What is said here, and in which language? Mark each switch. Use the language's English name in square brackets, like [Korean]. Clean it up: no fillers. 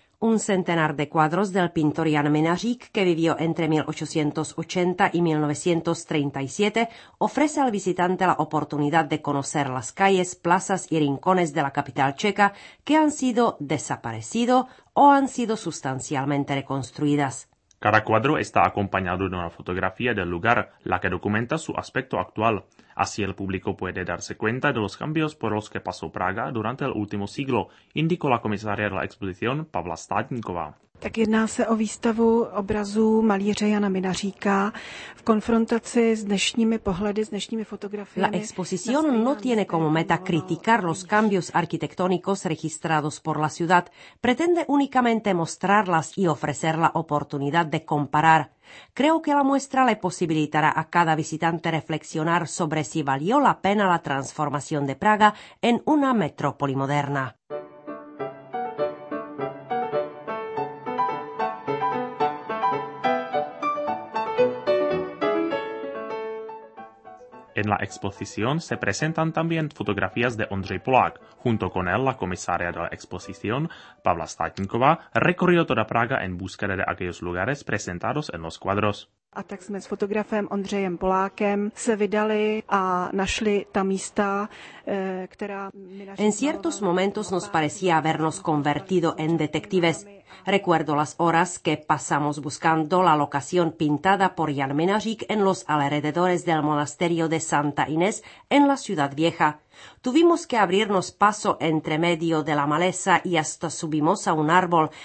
[Spanish] Un centenar de cuadros del pintor Jan Mynářík, que vivió entre 1880 y 1937, ofrece al visitante la oportunidad de conocer las calles, plazas y rincones de la capital checa que han sido desaparecido o han sido sustancialmente reconstruidas. Cada cuadro está acompañado de una fotografía del lugar, la que documenta su aspecto actual. Así el público puede darse cuenta de los cambios por los que pasó Praga durante el último siglo, indicó la comisaria de la exposición, Pavla Státníková. [Czech] Tak jedná se o výstavu obrazů malíře Jana Mynaříka v konfrontaci s dnešními pohledy, s dnešními fotografiemi. [Spanish] La exposición no tiene como meta criticar los cambios arquitectónicos registrados por la ciudad. Pretende únicamente mostrarlas y ofrecer la oportunidad de comparar. Creo que la muestra le posibilitará a cada visitante reflexionar sobre si valió la pena la transformación de Praga en una metrópoli moderna. En la exposición se presentan también fotografías de Ondřej Polák. Junto con él, la comisaria de la exposición, Pavla Státníková, recorrió toda Praga en búsqueda de aquellos lugares presentados en los cuadros. [Czech] A tak jsme s fotografem Ondřejem Polákem se vydali a našli ta místa, která... [Spanish] En ciertos momentos nos parecía habernos convertido en detectives. Recuerdo las horas que pasamos buscando la locación pintada por Jan Mynářík en los alrededores del monasterio de Santa Inés en la ciudad vieja. Tuvimos que abrirnos paso entre medio de la maleza y hasta subimos a un árbol.